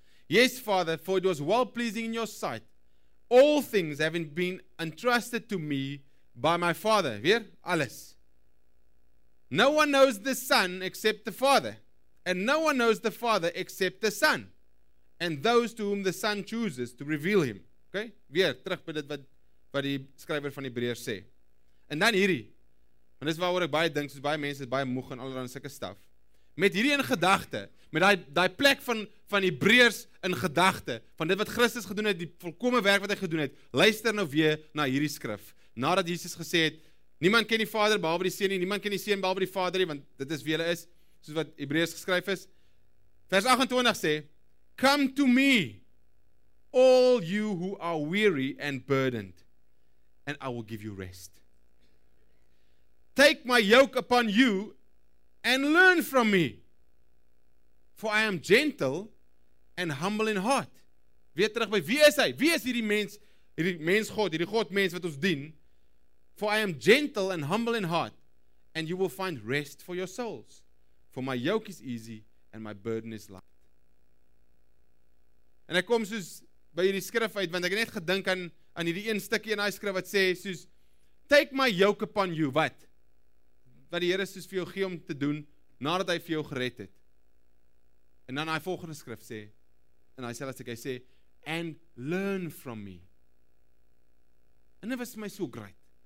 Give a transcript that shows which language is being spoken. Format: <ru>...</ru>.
<en>Yes, Father, for it was well-pleasing in your sight. All things having been entrusted to me by my Father.</en> <af>Weer? Alles.</af> <en>No one knows the Son except the Father, and no one knows the Father except the Son, and those to whom the Son chooses to reveal him. Okay?</en> <af>Weer, terug by dit wat die skrywer van Hebreërs sê. En dan hierdie, en dis waaroor ek baie dink, soos baie mense is baie moeg en allerhande sulke staf, met hierdie in gedachte, met die plek van Hebreërs in gedachte, van dit wat Christus gedoen het, die volkome werk wat hy gedoen het, luister nou weer na hierdie skrif, nadat Jesus gesê het, niemand ken die Vader behalwe die Seun nie, niemand ken die Seun behalwe die Vader nie, want dit is wie hulle is, soos wat Hebreërs geskryf is. Vers 28 sê,</af> <en>come to me, all you who are weary and burdened, and I will give you rest. Take my yoke upon you and learn from me. For I am gentle and humble in heart.</en> <af>Weer terug by, wie is hy? Wie is hierdie mens God, hierdie God mens wat ons dien?</af> <en>For I am gentle and humble in heart, and you will find rest for your souls. For my yoke is easy and my burden is light.</en> <af>En ek kom soos by hierdie skrif uit, want ek het net gedink aan hierdie een stukkie in die skrif wat sê, soos,</af> <en>take my yoke upon you,</en> <af>wat die Here soos vir jou gee om te doen, nadat hy vir jou gered het. En dan hy volgende skrif sê, en hy sê, as ek hy sê,</af> <en>and learn from me.</en> <af>En dit was my</af> <en>so great.</en>